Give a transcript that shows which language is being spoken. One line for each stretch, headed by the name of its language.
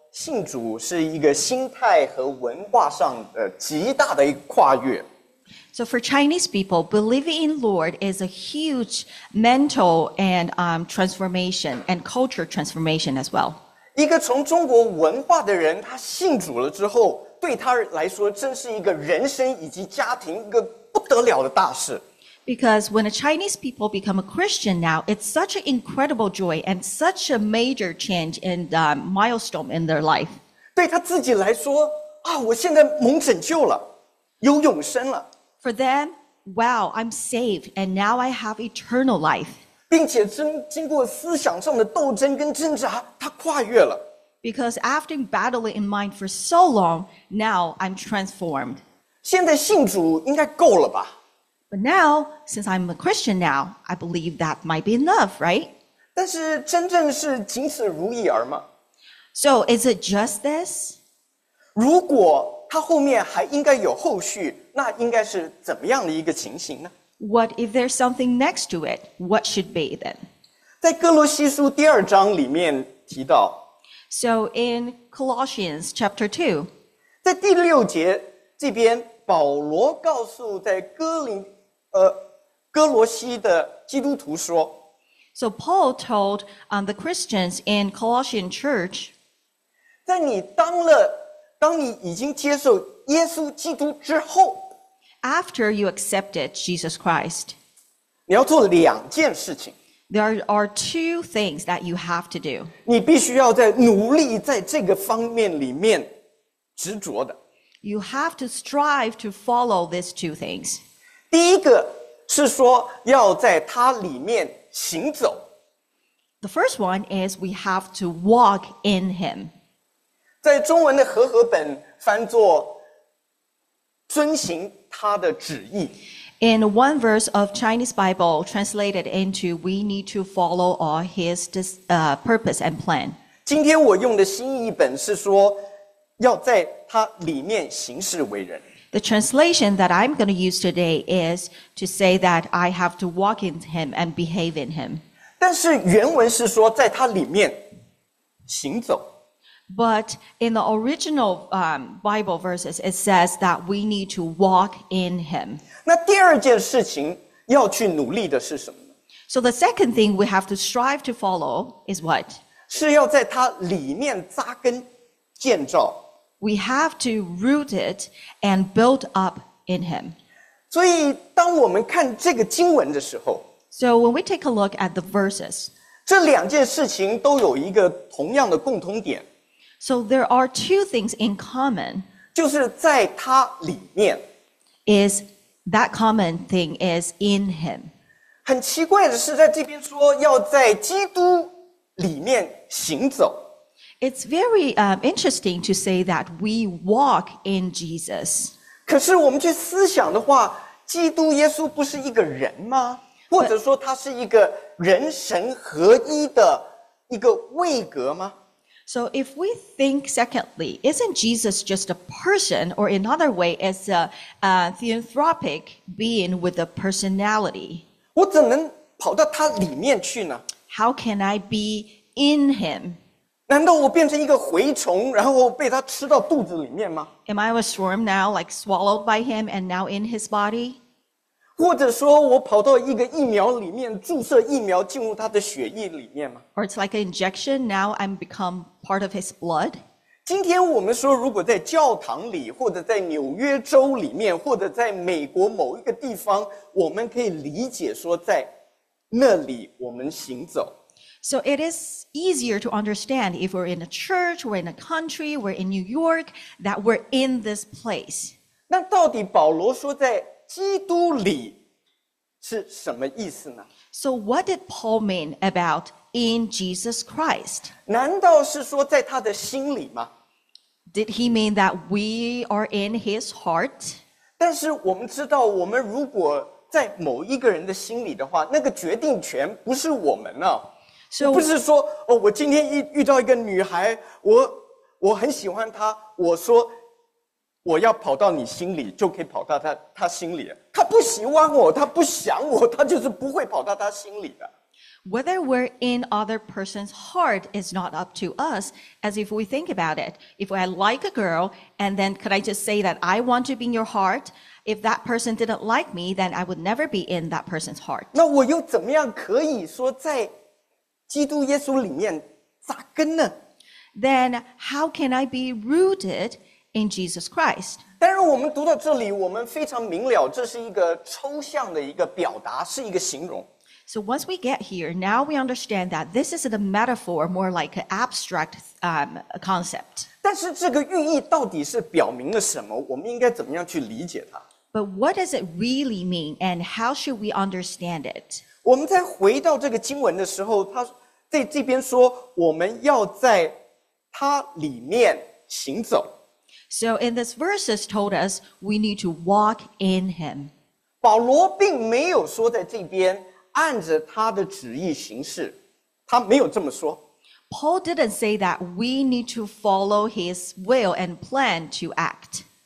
Chinese: 信主是一个心态和文化上的极大的一个跨越。
English: So for Chinese people, believing in Lord is a huge mental and transformation and culture transformation as well.
Chinese: 一个从中国文化的人，他信主了之后，对他来说，真是一个人生以及家庭一个不得了的大事。
English: Because when a Chinese people become a Christian now, it's such an incredible joy and such a major change and milestone in their life.
Chinese: 对他自己来说，啊，我现在蒙拯救了，有永生了。
English: For them, wow, I'm saved and now I have eternal life.
Chinese: 并且经过思想上的斗争跟挣扎，他跨越了。
English: Because after battling in mind for so long, now I'm transformed.
Chinese: 现在信主应该够了吧？
English: But now, since I'm a Christian now, I believe that might be enough, right?
Chinese: 但是真正是仅此如意而吗？
English: So, is it just this?
Chinese: 如果他后面还应该有后续，那应该是怎么样的一个情形呢？
English: What if there's something next to it? What should be then?
Chinese: 在哥罗西书第二章里面提到。
English: So, in Colossians chapter 2.
Chinese: 在第六节这边。保罗告诉在哥罗西的基督徒说
English: So Paul told the Christians in Colossian church
Chinese: 在你当你已经接受耶稣基督之后
English: After you accepted Jesus Christ
Chinese: 你要做两件事情
English: There are two things that you have to do
Chinese: 你必须要在努力在这个方面里面执着的
English: You have to strive to follow these two things.
Chinese: 第一个是说要在它里面行走。
English: The first one is we have to walk in Him.
Chinese: 在中文的和合本翻作遵行他的旨意。
English: In one verse of Chinese Bible translated into we need to follow all His purpose and plan.
Chinese: 今天我用的新译本是说要在他里面行事为人。
English: The translation that I'm going to use today is to say that I have to walk in him and behave in him.
Chinese: 但是原文是说在他里面行走。
English: But in the original Bible verses, it says that we need to walk in him.
Chinese: 那第二件事情要去努力的是什么呢?
English: So the second thing we have to strive to follow is what?
Chinese: 是要在他里面扎根。建造
English: We have to root it and build up in him.
Chinese: 所以当我们看这个经文的时候
English: So when we take a look at the verses,
Chinese: 这两件事情都有一个同样的共通点
English: So there are two things in common.
Chinese: 就是在他里面
English: Is that common thing is in him.
Chinese: 很奇怪的是在这边说要在基督里面行走
English: It's very interesting to say that we walk in Jesus.
Chinese: 可是我们去思想的话，基督耶稣不是一个人吗？或者说他是一个人神合一的一个位格吗？
English: So if we think secondly, isn't Jesus just a person, or in another way, as a theanthropic being with a personality?
Chinese: 我怎能跑到他里面去呢？
English: How can I be in him?
Chinese: 难道我变成一个蛔虫，然后被他吃到肚子里面吗？
English: Am I a swarm now, like swallowed by him and now in his body?
Chinese: 或者说我跑到一个疫苗里面，注射疫苗进入他的血液里面吗？
English: Or it's like an injection, now I'm become part of his blood?
Chinese: 今天我们说如果在教堂里，或者在纽约州里面，或者在美国某一个地方，我们可以理解说在那里我们行走。
English: So it is easier to understand if we're in a church, we're in a country, we're in New York, that we're in this place.
Chinese: 那到底保罗说在基督里是什么意思呢?
English: So what did Paul mean about in Jesus Christ?
Chinese: 难道是说在他的心里吗?
English: Did he mean that we are in his heart?
Chinese: 但是我们知道我们如果在某一个人的心里的话,那个决定权不是我们啊。
English: So,
Chinese: 不是说、哦、我今天遇到一个女孩 我很喜欢她我说我要跑到你心里就可以跑到 她心里她不喜欢我她不想我她就是不会跑到她心里的
English: Whether we're in other person's heart is not up to us, as if we think about it. If I like a girl, and then could I just say that I want to be in your heart? If that person didn't like me, then I would never be in that person's heart.
Chinese: 那我又怎么样可以说在基督耶稣里面扎根呢？
English: Then how can I be rooted in Jesus Christ?
Chinese: 当然我们读到这里，我们非常明了，这是一个抽象的一个表达，是一个形容。
English: So once we get here, now we understand that this is a metaphor, more like an abstract concept.
Chinese: 但是这个寓意到底是表明了什么？我们应该怎么样去理解它？
English: But what does it really mean, and how should we understand it?
Chinese: 我们在回到这个经文的时候，他在这边说，我们要在他里面行走。
English: So in this verse, it told us we need to walk in him.
Chinese: 保罗并没有说在这边按着他的旨意行事，他没有这么说。
English: Paul didn't say that we need to follow his will and plan to act.